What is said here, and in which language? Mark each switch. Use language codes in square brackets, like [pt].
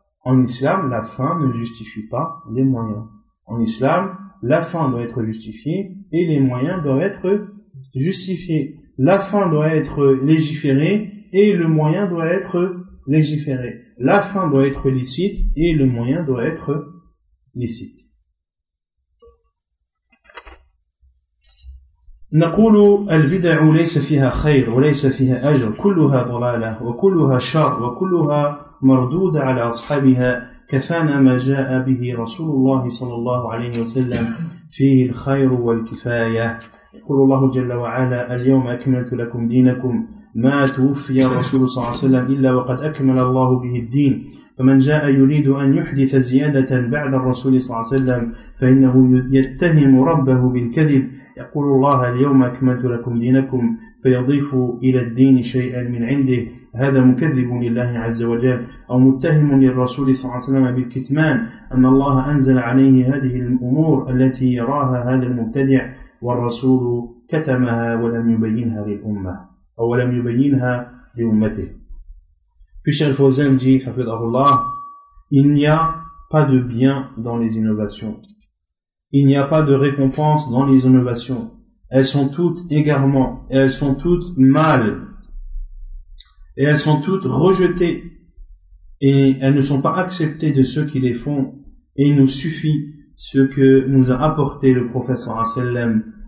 [fr] En islam, la fin ne justifie pas les moyens. En islam, la fin doit être justifiée et les moyens doivent être justifiés. La fin doit être légiférée et le moyen doit être légiféré. La fin doit être licite et le moyen doit être licite. [ar] نقول البدع ليس فيها خير وليس فيها أجر كلها ضلالة وكلها شر وكلها مردودة على أصحابها كفانا ما جاء به رسول الله صلى الله عليه وسلم فيه الخير والكفاية. يقول الله جل وعلا اليوم أكملت لكم دينكم ما توفي الرسول صلى الله عليه وسلم إلا وقد أكمل الله به الدين فمن جاء يريد أن يحدث زيادة بعد الرسول صلى الله عليه وسلم فإنه يتهم ربه بالكذب يقول الله اليوم أكملت لكم دينكم فيضيف إلى الدين شيئا من عنده هذا مكذب لله عز وجل أو متهم للرسول صلى الله عليه وسلم بالكتمان أن الله أنزل عليه هذه الأمور التي يراها هذا المبتدع والرسول كتمها ولم يبينها للأمة أو لم يبينها لأمته. [fr] Puisque Al-Fawzan dit, [ar] حفظه الله, [fr] il n'y a pas de bien dans les innovations. Il n'y a pas de récompense dans les innovations. Elles sont toutes égarements, et elles sont toutes mal, et elles sont toutes rejetées, et elles ne sont pas acceptées de ceux qui les font, et il nous suffit ce que nous a apporté le prophète sallam.